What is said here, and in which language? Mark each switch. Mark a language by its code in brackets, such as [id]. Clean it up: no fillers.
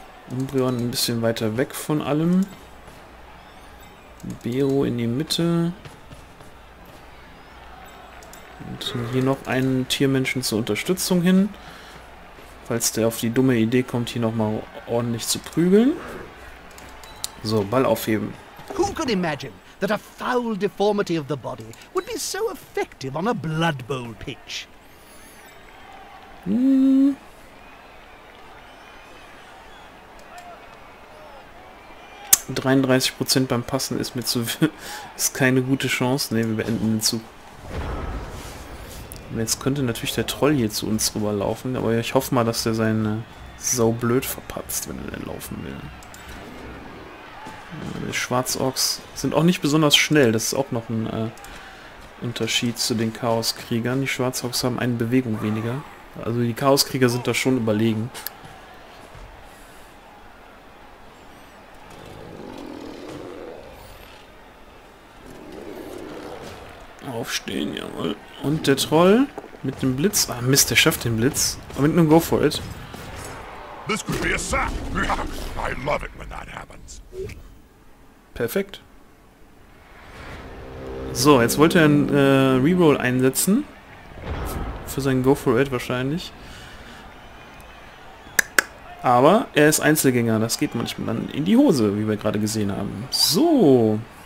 [de] Umbreon ein bisschen weiter weg von allem. Beru in die Mitte. Und hier noch einen Tiermenschen zur Unterstützung hin. Falls der auf die dumme Idee kommt, hier nochmal ordentlich zu prügeln. So, Ball aufheben. [en] Who could imagine that a foul deformity of the body would be so effective on a Blood Bowl pitch? Hm. [de] 33% beim Passen ist mir zu viel. Ist keine gute Chance. Ne, wir beenden den Zug. Jetzt könnte natürlich der Troll hier zu uns rüberlaufen, aber ich hoffe mal, dass der seine Sau blöd verpatzt, wenn er denn laufen will. Die Schwarzorks sind auch nicht besonders schnell, das ist auch noch ein Unterschied zu den Chaoskriegern. Die Schwarzorks haben eine Bewegung weniger. Also die Chaoskrieger sind da schon überlegen. Aufstehen, jawohl. Und der Troll mit dem Blitz. Ah Mist, der schafft den Blitz. Aber mit einem Go for it. [en] This could be a sap. I love it when that happens. [de] Perfekt. So, jetzt wollte er einen Reroll einsetzen. Für seinen Go for it wahrscheinlich. Aber er ist Einzelgänger. Das geht manchmal dann in die Hose, wie wir gerade gesehen haben. So.